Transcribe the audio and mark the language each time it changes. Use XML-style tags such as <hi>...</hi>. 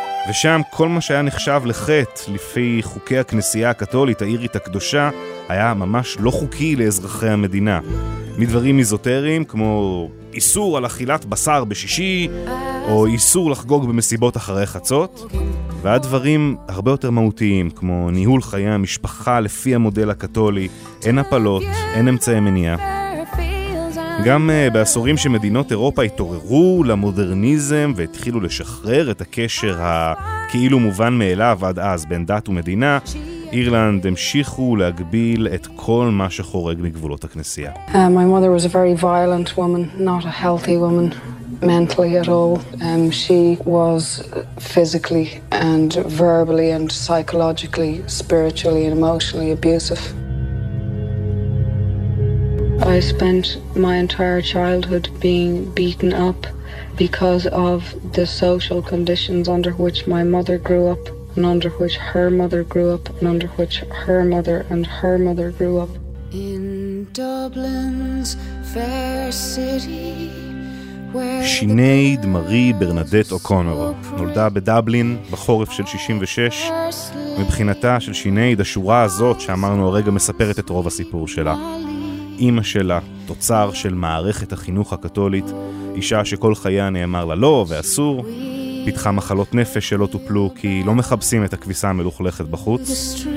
<he>ושם כל מה שהיה נחשב לחטא לפי חוקי הכנסייה הקתולית האירית הקדושה היה ממש לא חוקי לאזרחי המדינה, מדברים איזוטריים כמו איסור על אכילת בשר בשישי או איסור לחגוג במסיבות אחרי חצות, ועד דברים הרבה יותר מהותיים כמו ניהול חיי המשפחה לפי המודל הקתולי, אין הפלות, אין אמצעי מניעה. גם בעשורים שמדינות אירופה התעוררו למודרניזם והתחילו לשחרר את הקשר הכאילו מובן מאליו עד אז בין דת ומדינה, אירלנד המשיכו להגביל את כל מה שחורג מגבולות הכנסייה.</he> <en>My mother was a very violent woman, not a healthy woman mentally at all. She was physically and verbally and psychologically, spiritually and emotionally abusive. I spent my entire childhood being beaten up because of the social conditions under which my mother grew up and under which her mother grew up and under which her mother and her mother grew up. In Dublin's fair city where</en> <he>Sinéad Mary Bernadette O'Connor נולדה בדבלין בחורף של 66. מבחינתה של שינייד, השורה הזאת שאמרנו הרגע מספרת את רוב הסיפור שלה. אימא שלה, תוצר של מערכת החינוך הקתולית, אישה שכל חייה נאמר לה לא ואסור, פיתחה מחלות נפש שלא טופלו כי לא מחפשים את הכביסה המלוכלכת בחוץ.</he>